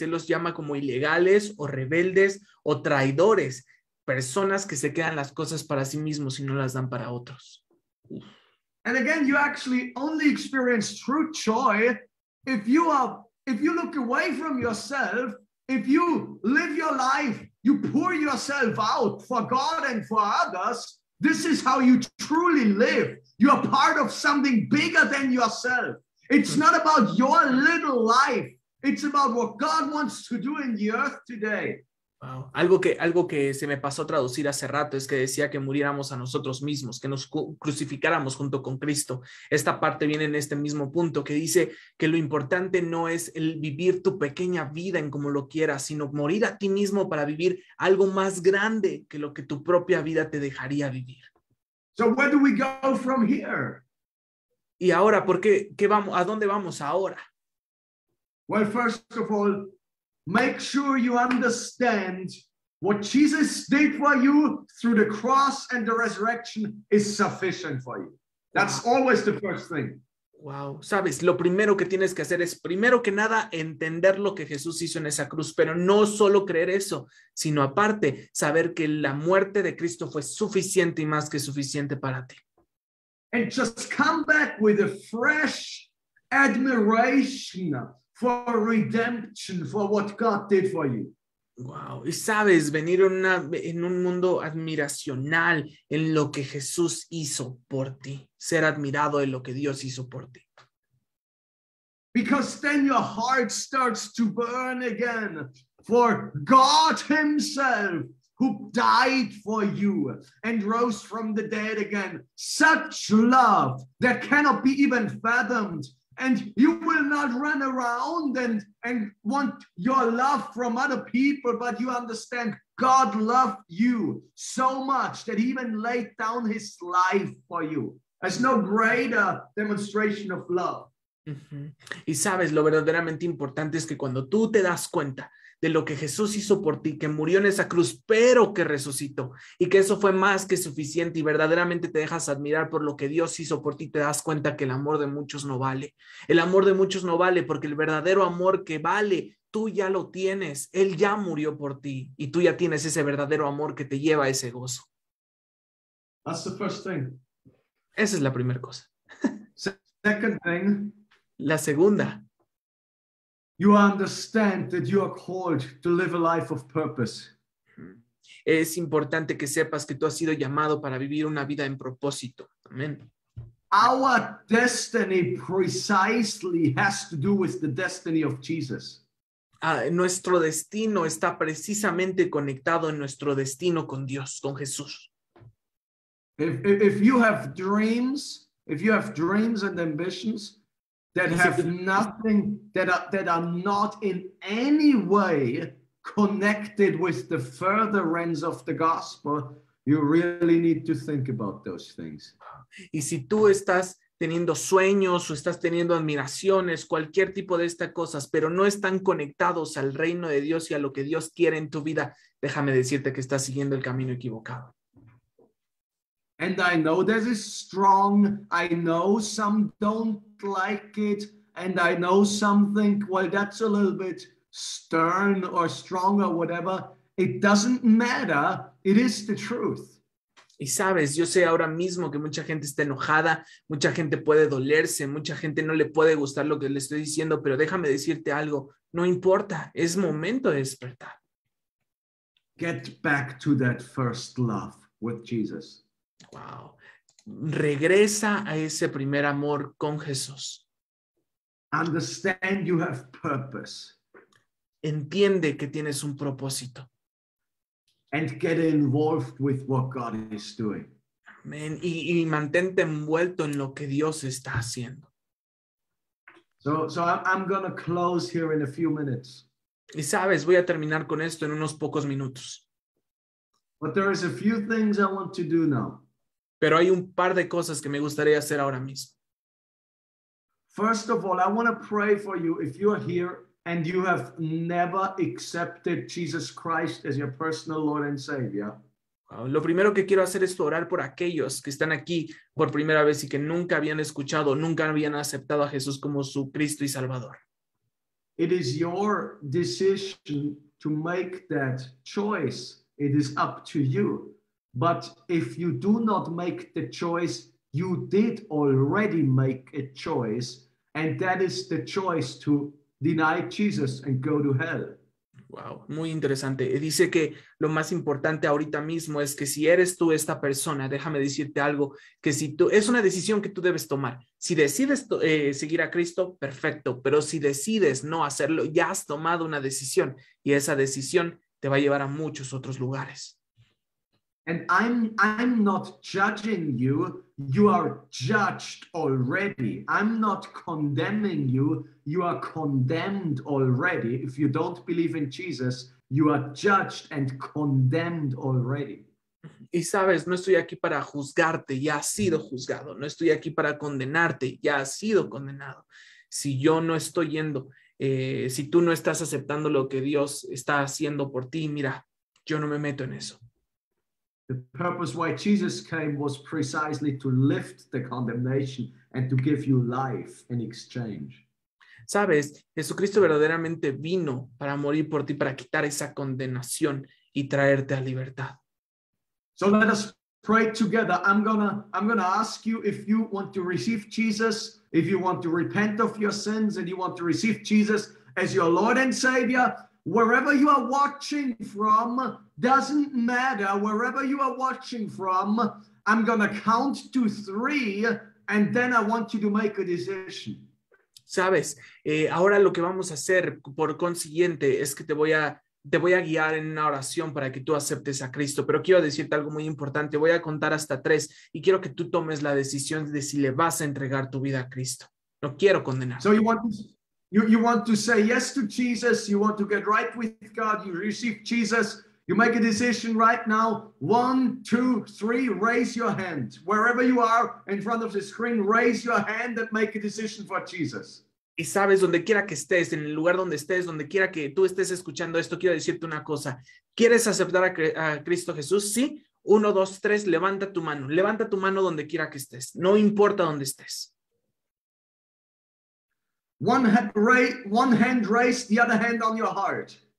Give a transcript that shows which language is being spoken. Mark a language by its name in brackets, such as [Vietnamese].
[Spanish] Él los llama como ilegales o rebeldes o traidores. Personas que se quedan las cosas para sí mismos y no las dan para otros. [English] And again, you actually only experience true joy if you look away from yourself, if you live your life, you pour yourself out for God and for others, this is how you truly live. You are part of something bigger than yourself. It's not about your little life. It's about what God wants to do in the earth today. Wow. [Spanish] Algo que se me pasó a traducir hace rato es que decía que muriéramos a nosotros mismos, que nos crucificáramos junto con Cristo. Esta parte viene en este mismo punto que dice que lo importante no es el vivir tu pequeña vida en como lo quieras, sino morir a ti mismo para vivir algo más grande que lo que tu propia vida te dejaría vivir. [English] So where do we go from here? [Spanish] Y ahora, ¿por qué? ¿Qué vamos? ¿A dónde vamos ahora? [English] Well, first of all, make sure you understand what Jesus did for you through the cross and the resurrection is sufficient for you. That's always the first thing. Wow. [Spanish] Sabes, lo primero que tienes que hacer es, primero que nada, entender lo que Jesús hizo en esa cruz, pero no solo creer eso, sino aparte, saber que la muerte de Cristo fue suficiente y más que suficiente para ti. [English] And just come back with a fresh admiration for redemption, for what God did for you. Wow. [Spanish] Y sabes, venir en un mundo admiracional en lo que Jesús hizo por ti. Ser admirado en lo que Dios hizo por ti. [English] Because then your heart starts to burn again for God himself who died for you and rose from the dead again. Such love that cannot be even fathomed. And you will not run around and want your love from other people, but you understand God loved you so much that he even laid down his life for you. There's no greater demonstration of love. [Spanish] Uh-huh. Y sabes, lo verdaderamente importante es que cuando tú te das cuenta de lo que Jesús hizo por ti, que murió en esa cruz, pero que resucitó, y que eso fue más que suficiente, y verdaderamente te dejas admirar por lo que Dios hizo por ti, te das cuenta que el amor de muchos no vale. El amor de muchos no vale, porque el verdadero amor que vale tú ya lo tienes. Él ya murió por ti y tú ya tienes ese verdadero amor que te lleva a ese gozo. [English] That's the first thing. [Spanish] Esa es la primera cosa. [English] Second thing. [Spanish] La segunda. [English] You understand that you are called to live a life of purpose. [Spanish] Es importante que sepas que tú has sido llamado para vivir una vida en propósito. Amén. [English] Our destiny precisely has to do with the destiny of Jesus. [Spanish] Nuestro destino está precisamente conectado en nuestro destino con Dios, con Jesús. [English] If you have dreams, if you have dreams and ambitions that have nothing, that are not in any way connected with the furtherance of the gospel, you really need to think about those things. [Spanish] Y si tú estás teniendo sueños o estás teniendo admiraciones, cualquier tipo de estas cosas, pero no están conectados al reino de Dios y a lo que Dios quiere en tu vida, déjame decirte que estás siguiendo el camino equivocado. [English] And I know this is strong. I know some don't like it. And I know some think, well, that's a little bit stern or strong or whatever. It doesn't matter. It is the truth. [Spanish] Y sabes, yo sé ahora mismo que mucha gente está enojada, mucha gente puede dolerse, mucha gente no le puede gustar lo que le estoy diciendo, pero déjame decirte algo, no importa, es momento de despertar. [English] Get back to that first love with Jesus. [Spanish] Wow. Regresa a ese primer amor con Jesús. [English] Understand you have purpose. [Spanish] Entiende que tienes un propósito. [English] And get involved with what God is doing. Amen. [Spanish] Y mantente envuelto en lo que Dios está haciendo. [English] So I'm going to close here in a few minutes. [Spanish] Y sabes, voy a terminar con esto en unos pocos minutos. [English] But there is a few things I want to do now. [Spanish] Pero hay un par de cosas que me gustaría hacer ahora mismo. [English] First of all, I want to pray for you if you are here and you have never accepted Jesus Christ as your personal Lord and Savior. [Spanish] Lo primero que quiero hacer es orar por aquellos que están aquí por primera vez y que nunca habían escuchado, nunca habían aceptado a Jesús como su Cristo y Salvador. [English] It is your decision to make that choice. It is up to you. But if you do not make the choice, you did already make a choice, and that is the choice to deny Jesus and go to hell. [Spanish] Wow, muy interesante. Dice que lo más importante ahorita mismo es que si eres tú esta persona, déjame decirte algo, que si tú, es una decisión que tú debes tomar. Si decides seguir a Cristo, perfecto, pero si decides no hacerlo, ya has tomado una decisión y esa decisión te va a llevar a muchos otros lugares. [English] And I'm not judging you. You are judged already. I'm not condemning you. You are condemned already. If you don't believe in Jesus, you are judged and condemned already. [Spanish] Y sabes, no estoy aquí para juzgarte. Ya has sido juzgado. No estoy aquí para condenarte. Ya has sido condenado. Si yo no estoy yendo, si tú no estás aceptando lo que Dios está haciendo por ti, mira, yo no me meto en eso. [English] The purpose why Jesus came was precisely to lift the condemnation and to give you life in exchange. [Spanish] Sabes, Jesucristo verdaderamente vino para morir por ti, para quitar esa condenación y traerte a libertad. [English] So let us pray together. I'm gonna ask you if you want to receive Jesus, if you want to repent of your sins and you want to receive Jesus as your Lord and Savior. Wherever you are watching from, doesn't matter. Wherever you are watching from, I'm going to count to three, and then I want you to make a decision. [Spanish] Sabes, ahora lo que vamos a hacer, por consiguiente, es que te voy a guiar en una oración para que tú aceptes a Cristo. Pero quiero decirte algo muy importante. Voy a contar hasta tres, y quiero que tú tomes la decisión de si le vas a entregar tu vida a Cristo. No quiero condenar. [English] So you want to say yes to Jesus, you want to get right with God, you receive Jesus, you make a decision right now. 1, 2, 3, raise your hand. Wherever you are in front of the screen, raise your hand and make a decision for Jesus. [Spanish] Y sabes, donde quiera que estés, en el lugar donde estés, donde quiera que tú estés escuchando esto, quiero decirte una cosa. ¿Quieres aceptar a Cristo Jesús? Sí. 1, 2, 3, levanta tu mano. Levanta tu mano donde quiera que estés. No importa donde estés. [English] One hand raised, the other hand on your heart.